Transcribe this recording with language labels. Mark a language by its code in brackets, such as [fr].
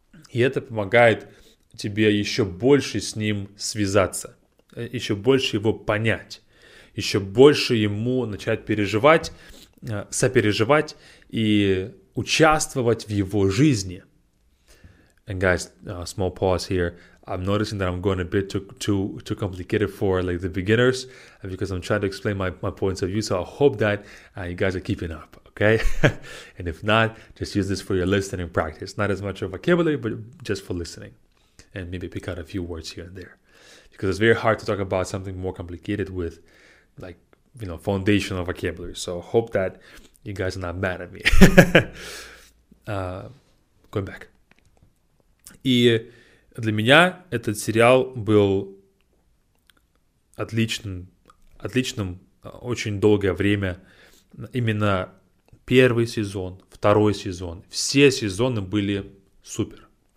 [ru] И это помогает тебе еще больше с ним связаться, еще больше его понять, еще больше ему начать переживать, сопереживать и участвовать в его жизни. [en] And guys, small pause here. I'm noticing that I'm going a bit too complicated for like the beginners, because I'm trying to explain my points of view. So I hope that you guys are keeping up, okay? And if not, just use this for your listening practice. Not as much of vocabulary, but just for listening. And maybe pick out a few words here and there. Because it's very hard to talk about something more complicated with, like, you know, foundational vocabulary. So I hope that you guys are not mad at me. Going back. [ru] Для меня этот сериал был отличным очень долгое время. Именно первый сезон, второй сезон, все сезоны были супер.